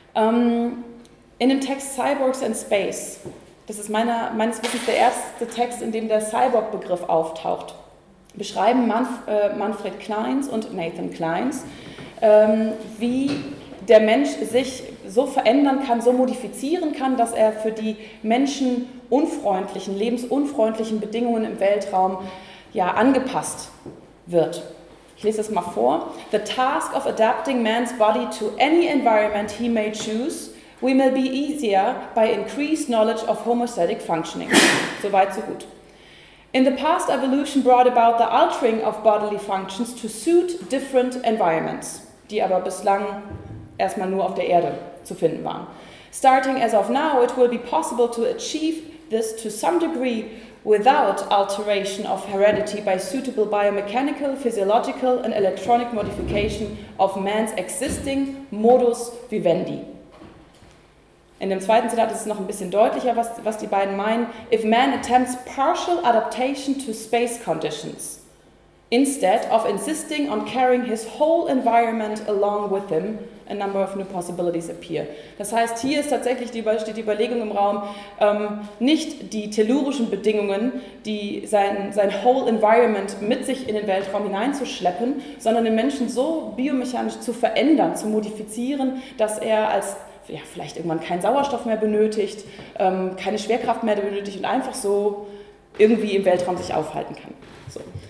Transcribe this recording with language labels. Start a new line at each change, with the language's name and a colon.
German: In dem Text Cyborgs and Space, das ist meines Wissens der erste Text, in dem der Cyborg-Begriff auftaucht, beschreiben Manfred Kleins und Nathan Kleins, wie der Mensch sich so verändern kann, so modifizieren kann, dass er für die menschenunfreundlichen, lebensunfreundlichen Bedingungen im Weltraum ja angepasst wird. Ich lese das mal vor.
English: The task of adapting man's body to any environment he may choose, we may be easier by increased knowledge of homeostatic functioning.
German: Soweit, so gut.
English: In the past, evolution brought about the altering of bodily functions to suit different environments,
German: die aber bislang erstmal nur auf der Erde zu finden waren.
English: Starting as of now, it will be possible to achieve this to some degree without alteration of heredity by suitable biomechanical, physiological and electronic modification of man's existing modus vivendi.
German: In dem zweiten Zitat ist es noch ein bisschen deutlicher, was die beiden meinen.
English: If man attempts partial adaptation to space conditions, instead of insisting on carrying his whole environment along with him, a number of new possibilities appear.
German: Das heißt, hier ist tatsächlich steht die Überlegung im Raum, nicht die tellurischen Bedingungen, die sein
English: whole environment
German: mit sich in den Weltraum hineinzuschleppen, sondern den Menschen so biomechanisch zu verändern, zu modifizieren, dass er als ja, vielleicht irgendwann keinen Sauerstoff mehr benötigt, keine Schwerkraft mehr benötigt und einfach so irgendwie im Weltraum sich aufhalten kann. So.